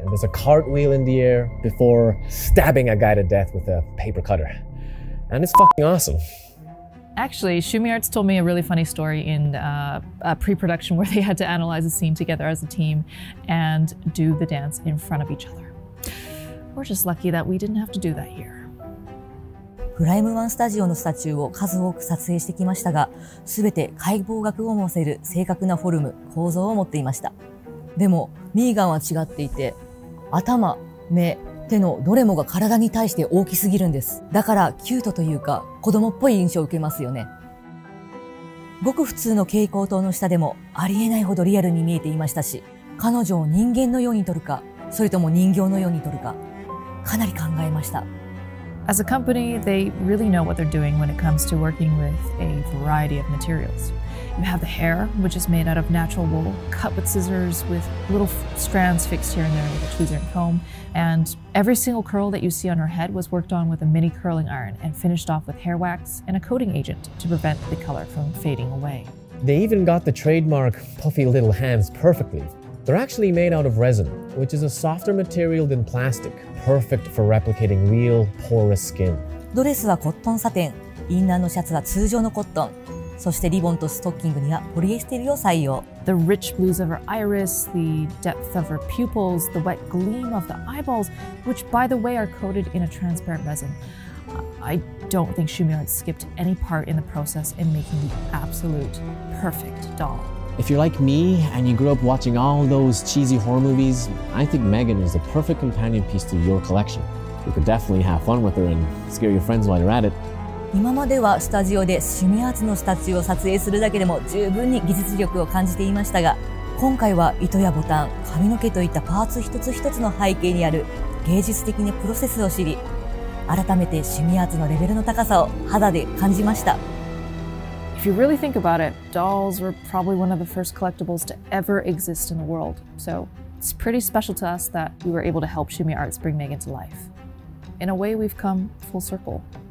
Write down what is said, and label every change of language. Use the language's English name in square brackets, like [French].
[English] And there's a cartwheel in the air before stabbing a guy to death with a paper cutter. And it's fucking awesome. Actually, Shumi Arts told me a really funny story in a pre-production where they had to analyze a scene together as a team and do the dance in front of each other. We're just lucky that we didn't have to do that here. [Japanese] プライムワンスタジオのスタチューを数多く撮影してきましたが、すべて解剖学を思わせる正確なフォルム、構造を持っていました。でもミーガンは違っていて、頭、目、手のどれもが体に対して大きすぎるんです。だからキュートというか子供っぽい印象を受けますよね。ごく普通の蛍光灯の下でもありえないほどリアルに見えていましたし、彼女を人間のように撮るか、それとも人形のように撮るか、かなり考えました。 [English] As a company, they really know what they're doing when it comes to working with a variety of materials. You have the hair, which is made out of natural wool, cut with scissors, with little strands fixed here and there with a tweezer and comb. And every single curl that you see on her head was worked on with a mini curling iron and finished off with hair wax and a coating agent to prevent the color from fading away. They even got the trademark puffy little hands perfectly. They're actually made out of resin, which is a softer material than plastic, perfect for replicating real porous skin. [Japanese] ドレスはコットンサテン、インナーのシャツは通常のコットン、そしてリボンとストッキングにはポリエステルを採用。 [English] The rich blues of her iris, the depth of her pupils, the wet gleam of the eyeballs, which by the way are coated in a transparent resin. I don't think Shumio had skipped any part in the process in making the absolute perfect doll. If you're like me and you grew up watching all those cheesy horror movies, I think Megan is the perfect companion piece to your collection. You could definitely have fun with her and scare your friends while you're at it. [Japanese] 今まではスタジオでシュミアーズのスタチューを撮影するだけでも十分に技術力を感じていましたが、今回は糸やボタン、髪の毛といったパーツ一つ一つの背景にある芸術的なプロセスを知り、改めてシュミアーズのレベルの高さを肌で感じました。 [English] If you really think about it, dolls were probably one of the first collectibles to ever exist in the world. So it's pretty special to us that we were able to help Shumi Arts bring Megan to life. In a way, we've come full circle.